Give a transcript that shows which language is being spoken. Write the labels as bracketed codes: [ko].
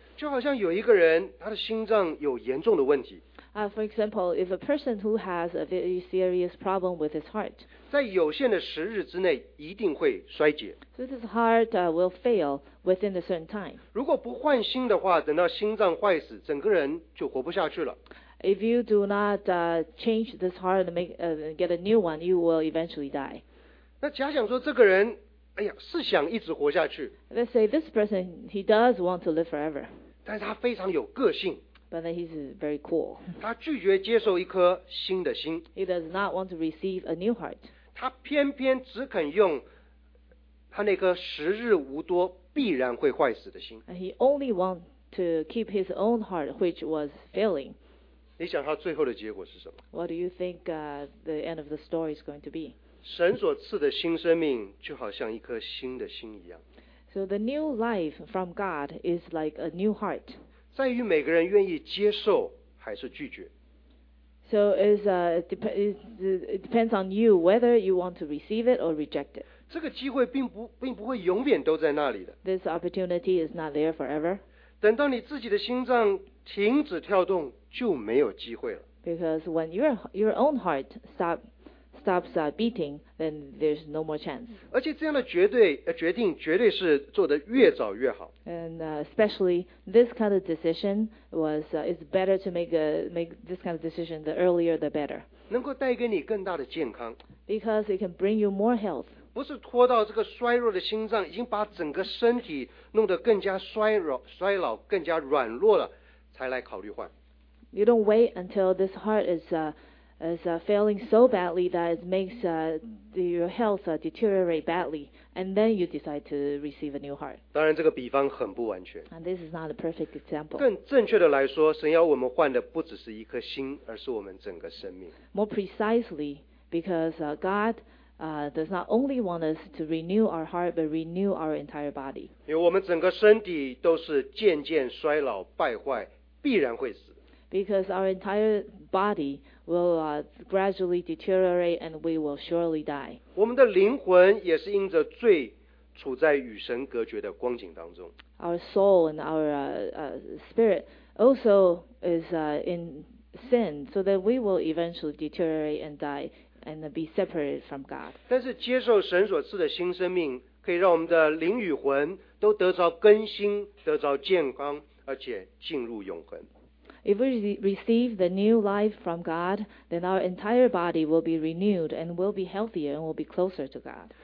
[zh] 就好像有一个人他的心脏有严重的问题。 [en] For example, if a person who has a very serious problem with his heart, [zh] 在有限的时日之内一定会衰竭。 [en] So his heart will fail within a certain time. [zh] 如果不换心的话，等到心脏坏死，整个人就活不下去了。 [en] If you do not change this heart and get a new one, you will eventually die. [zh] 那假想说这个人，哎呀，是想一直活下去。 [en] Let's say this person, he does want to live forever. [zh] 但是他非常有个性。 [en] But then he's very cool. [zh] 他拒绝接受一颗新的心。 [en] He does not want to receive a new heart. [zh] 他偏偏只肯用他那颗时日无多、必然会坏死的心。 [en] And he only want to keep his own heart, which was failing. [zh] 你想他最后的结果是什么？ [en] What do you think the end of the story is going to be? [zh] 神所赐的新生命就好像一颗新的心一样。 [en] So the new life from God is like a new heart. [zh] 在于每个人愿意接受还是拒绝。 [en] So it depends on you whether you want to receive it or reject it. [zh] 这个机会并不会永远都在那里的。 [en] This opportunity is not there forever. [zh] 等到你自己的心脏停止跳动就没有机会了。 [en] Because when your own heart stops beating, then there's no more chance. [zh] 而且这样的决定绝对是做得越早越好。 [en] And especially this kind of decision was it's better to make this kind of decision the earlier the better. [zh] 能够带给你更大的健康。 [en] Because it can bring you more health. [zh] 不是拖到这个衰弱的心脏已经把整个身体弄得更加衰老更加软弱了才来考虑换。 [en] You don't wait until this heart is failing so badly that it makes your health deteriorate badly, And then you decide to receive a new heart. [zh] 当然这个比方很不完全。 [en] And this is not a perfect example. [zh] 更正确的来说，神要我们换的不只是一颗心，而是我们整个生命。 [en] More precisely, because God does not only want us to renew our heart, but renew our entire body. [zh] 因为我们整个身体都是渐渐衰老败坏，必然会死。 [en] Because our entire body will gradually deteriorate and we will surely die. [zh] 我们的灵魂也是因着罪处在与神隔绝的光景当中。 [en] Our soul and our spirit also is in sin, so that we will eventually deteriorate and die and be separated from God. [zh] 但是接受神所赐的新生命可以让我们的灵与魂都得着更新，得着健康，而且进入永恒。 [en] If we receive the new life from God, then our entire body will be renewed and will be healthier and will be closer to God.